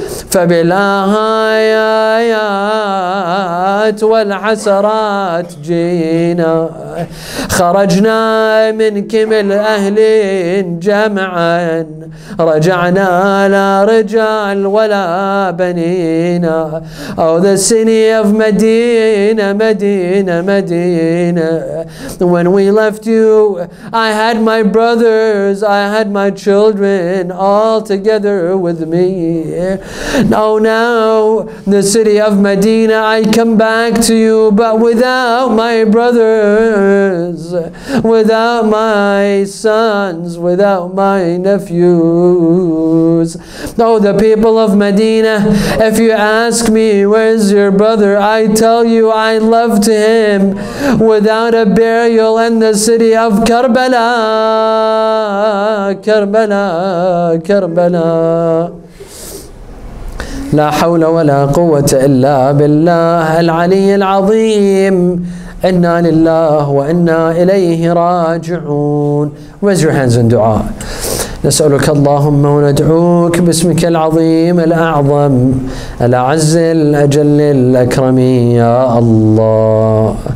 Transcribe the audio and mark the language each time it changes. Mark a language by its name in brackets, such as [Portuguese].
[Arabic] فبلا هايات والحسرات جينا خرجنا من كمل أهل جمعا رجعنا لا رجال ولا بنينا [English] Oh, the city of Medina, Medina, Medina. When we left you, I had my brothers, I had my children all together with me. Oh, now, the city of Medina, I come back to you, but without my brothers, without my sons, without my nephews. Oh, the people of Medina, if you ask me, where's your brother? I tell you, I left him without a burial in the city of Karbala, Karbala, Karbala. [Arabic] لا حول ولا قوة إلا بالله العلي العظيم إنا لله وإنا إليه راجعون. [English] Raise your hands in dua. [Arabic] نسألك اللهم وندعوك باسمك العظيم الأعظم الأعز الأجل الأكرم يا الله.